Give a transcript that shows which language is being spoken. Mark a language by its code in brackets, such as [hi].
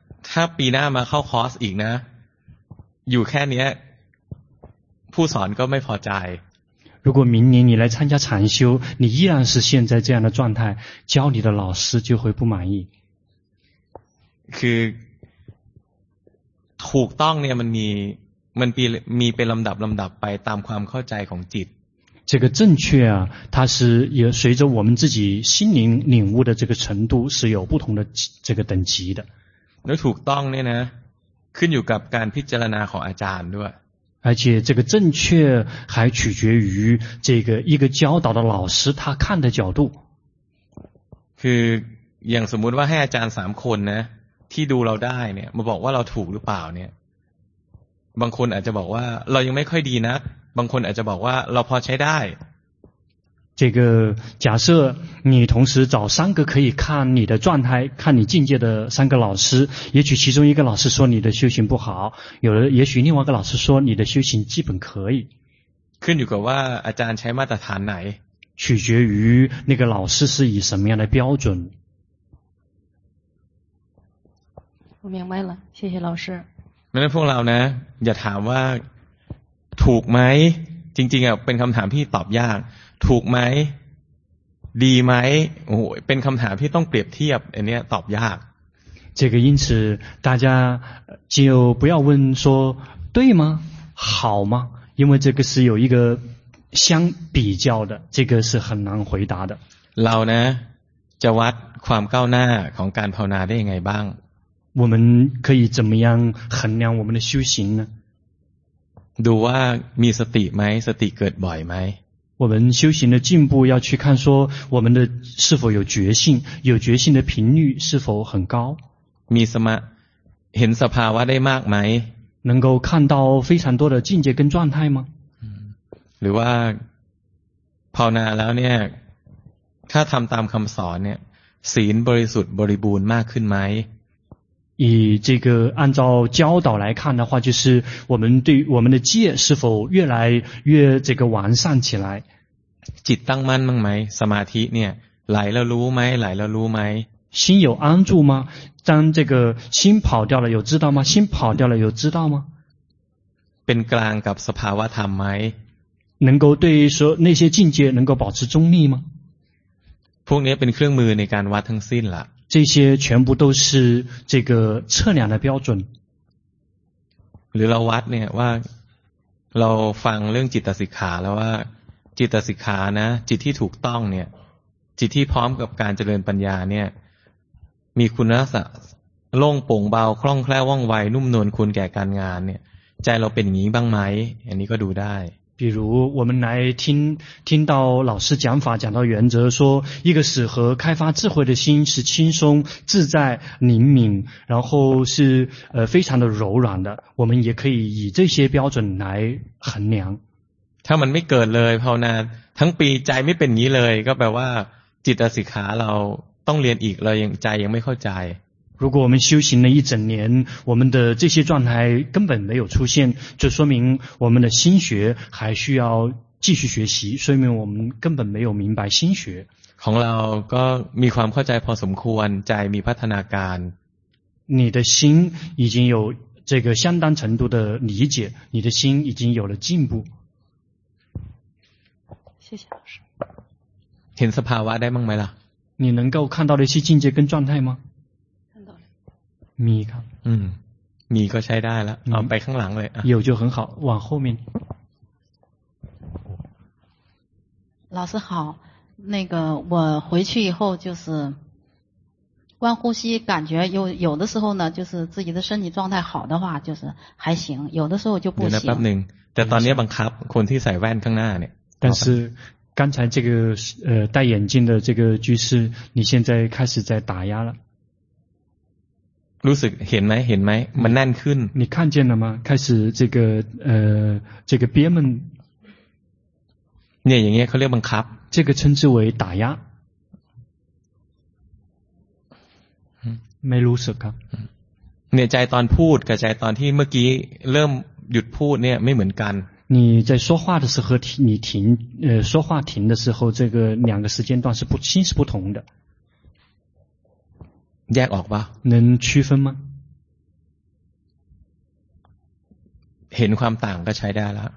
[th] ถ้าปีหน้ามาเข้าคอร์สอีกนะอยู่แค่นี้ผู้สอนก็ไม่พอใจ [zh] 如果明年你来参加禅修，你依然是现在这样的状态，教你的老师就会不满意。 [th] คือถูกต้องเนี่ยมันมีเป็นลำดับไปตามความเข้าใจของจิต。 [zh] 这个正确啊，它是也随着我们自己心灵领悟的这个程度是有不同的这个等级的。那 [th] ถูกต้องเนี่ยนะขึ้นอยู่กับการพิจารณาของอาจารย์ด้วย。 [zh] 而且这个正确还取决于这个一个教导的老师他看的角度。 [th] คืออย่างสมมติว่าให้อาจารย์สามคนนะที่ดูเราได้เนี่ยมาบอกว่าเราถูกหรือเปล่าเนี่ยบางคนอาจจะบอกว่าเรายังไม่ค่อยดีนักบางคนอาจจะบอกว่าเราพอใช้ได้ [zh] 这个假设你同时找三个可以看你的状态看你境界的三个老师也许其中一个老师说你的修行不好有的也许另外一个老师说你的修行基本可以 [th] ขึ้นอยู่กับว่าอาจารย์ใช้มาตรฐานไหน [zh] 取决于那个老师是以什么样的标准我明白了谢谢老师那么 [th] พวกเรานะอย่าถามว่าถูกไหมจริงๆอ่ะเป็นคำถามที่ตอบยากถูกไหมดีไหมโอ้เป็นคำถามที่ต้องเปรียบเทียบอันนี้ตอบยาก [zh] 这个因此大家就不要问说对吗好吗因为这个是有一个相比较的这个是很难回答的 [th] เรานะจะวัดความก้าวหน้าของการภาวนาได้ยังไงบ้าง [zh] 我们可以怎么样衡量我们的修行呢 [th] ดูว่ามีสติไหมสติเกิดบ่อยไหม [zh] 我们修行的进步要去看说我们的是否有觉性有觉性的频率是否很高 [th] มีสมาเห็นสภาวะได้มากไหม [zh] 能够看到非常多的境界跟状态吗 [th] หรือว่าภาวนาแล้วเนี่ยถ้าทำตามคำสอนเนี่ยศีลบริสุทธิ์บริบูรณ์มากขึ้นไหม [zh] 以这个按照教导来看的话就是我们对我们的戒是否越来越这个完善起来 [th] จิตตั้งมั่นบ้างไหมสมาธิเนี่ยไหลแล้วรู้ไหมไหลแล้วรู้ไหม [zh] 心有安住吗当这个心跑掉了有知道吗心跑掉了有知道吗 [th] เป็นกลางกับสภาวะธรรมไหม [zh] 能够对于说那些境界能够保持中立吗 [th] พวกนี้เป็นเครื่องมือในการวัดทั้งสิ้นละ [zh] 这些全部都是这个测量的标准 [th] หรือเราวัดเนี่ยว่าเราฟังเรื่องจิตสิกขาแล้วว่าจิตสิกขานะจิตที่ถูกต้องเนี่ยจิตที่พร้อมกับการเจริญปัญญาเนี่ยมีคุณลักษณะโล่งโปร่งเบาคล่องแคล่วว่องไวนุ่มนวลคุณแก่การงานเนี่ยใจเราเป็นอย่างนี้บ้างไหมอันนี้ก็ดูได้ [zh] 比如我们来听到老师讲法讲到原则说一个适合开发智慧的心是轻松自在灵敏然后是非常的柔软的我们也可以以这些标准来衡量 [th] ถ้ามันไม่เกิดเลยภาวนาทั้งปีใจไม่เป็นนี้เลยก็แปลว่าจิตสิกขาเราต้องเรียนอีกเรายังใจยังไม่เข้าใจ [zh] 如果我们修行了一整年，我们的这些状态根本没有出现，就说明我们的心学还需要继续学习，说明我们根本没有明白心学。 [th] ของเราก็มีความเข้าใจพอสมควรใจมีพัฒนาการ [zh] 你的心已经有这个相当程度的理解，你的心已经有了进步。谢谢老师。 [th] เห็นสภาวะได้บ้างไหมล่ะ [zh] 你能够看到的一些境界跟状态吗？ [th] มีครับ มีก็ใช้ได้แล้วเอาไปข้างหลังเลย [zh] 有就很好往后面老师好那个我回去以后就是观呼吸感觉有的时候呢就是自己的身体状态好的话就是还行有的时候就不行 [th] แป๊บนึงแต่ตอนนี้บังคับคนที่ใส่แว่นข้างหน้าเนี่ย [zh] 但是刚才这个戴眼镜的这个居士你现在开始在打压了 [th] รู้สึกเห็นไหมเห็นไหมมันแน่นขึ้น [zh] 你看见了吗开始这个这个憋闷 [th] เนี่ยอย่างเงี้ยเขาเรียกบังคับ [zh] 这个称之为打压 [th] ไม่รู้สึกครับ เนี่ยใจตอนพูดกับใจตอนที่เมื่อกี้เริ่มหยุดพูดเนี่ยไม่เหมือนกัน [zh] 你在说话的时候你停说话停的时候这个两个时间段是不心是不同的 [th] แยกออกป่ะ [zh] 能区分吗 [th] เห็นความต่างก็ใช้ได้แล้ว